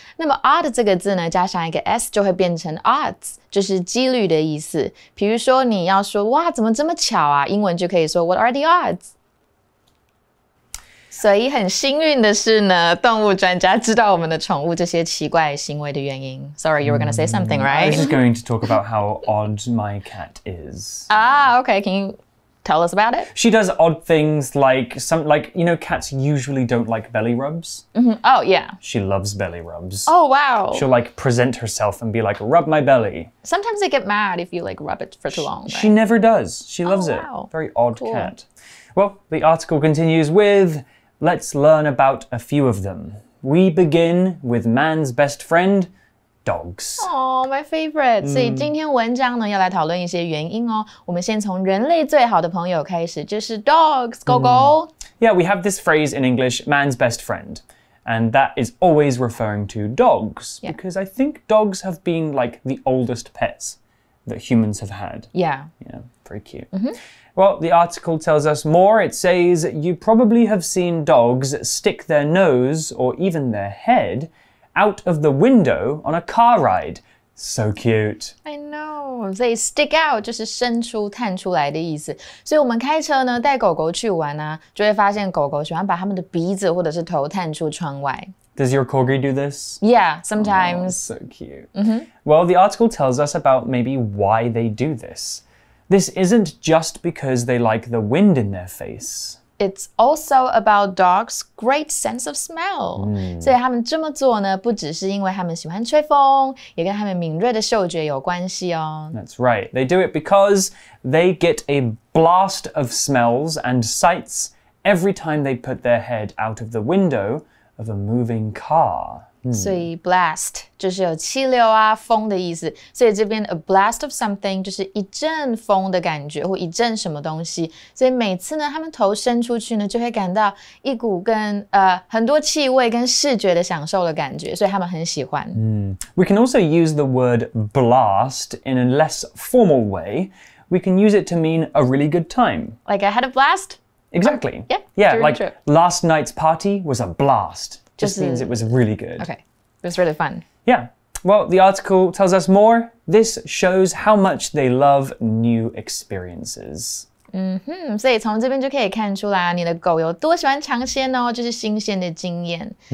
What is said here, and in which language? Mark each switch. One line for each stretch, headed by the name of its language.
Chinese: 那么 odd 这个字呢，加上一个 s 就会变成 odds， 就是几率的意思。比如说你要说哇，怎么这么巧啊？英文就可以说
English: what are the odds？
Chinese: 所以很幸运的是呢，动物专家知道我们的宠物这些奇怪行为的原因。
English: Sorry, you were going to say something, right? I was just going to talk about how odd my cat is. Ah, okay. Can you tell us about it? She does odd things like, you know, cats usually don't like belly rubs.、 Mm-hmm. Oh, yeah. She loves belly rubs. Oh, wow. She'll like present herself and be like, rub my belly. Sometimes they get mad if you like rub it for too long. She never does. She loves it. Very odd、cool. cat. Well, the article continues with, let's learn about a few of them. We begin with man's best friend, dogs. Oh, my favorite.
Chinese: 所以今天文章呢，要来讨论一些原因哦。我们先从人类最好的朋友开始，就是 dogs, 狗狗。
English: Yeah, we have this phrase in English, man's best friend. And that is always referring to dogs. Yeah. Because I think dogs have been like the oldest pets that humans have had. Yeah. Yeah, very cute. Mm-hmm. Well, the article tells us more. It says, you probably have seen dogs stick their nose or even their head out of the window on a car ride. So cute. I know. They stick out
Chinese: 就是伸出、探出来的意思。所以我们开车呢，带狗狗去玩啊，就会发现狗狗喜欢把他们的鼻子或者是头探出窗外。
English: Does your corgi do this? Yeah, sometimes. Oh, so cute. Mm-hmm. Well, the article tells us about maybe why they do this. This isn't just because they like the wind in their face. It's also about dogs' great sense of smell. Mm.
Chinese: 所以他们这么做呢，不只是因为他们喜欢吹风，也跟他们敏锐的嗅觉有关系哦。
English: That's right. They do it because they get a blast of smells and sights every time they put their head out of the window of a moving car.
Chinese: 所以 blast 就是有气流啊风的意思，所以这边 a blast of something 就是一阵风的感觉或一阵什么东西，所以每次呢他们头伸出去呢就会感到一股跟很多气味跟视觉的享受的感觉，所以他们很喜欢。
English: We can also use the word blast in a less formal way. We can use it to mean a really good time. Like I had a blast? Exactly. Yeah, like last night's party was a blast. Just means it was really good. Okay, it was really fun. Yeah. Well, the article tells us more. This shows how much they love new experiences. Mm-hmm.
Chinese: 所以从这边就可以看出来啊，你的狗有多喜欢尝鲜哦，就是新鲜的经验。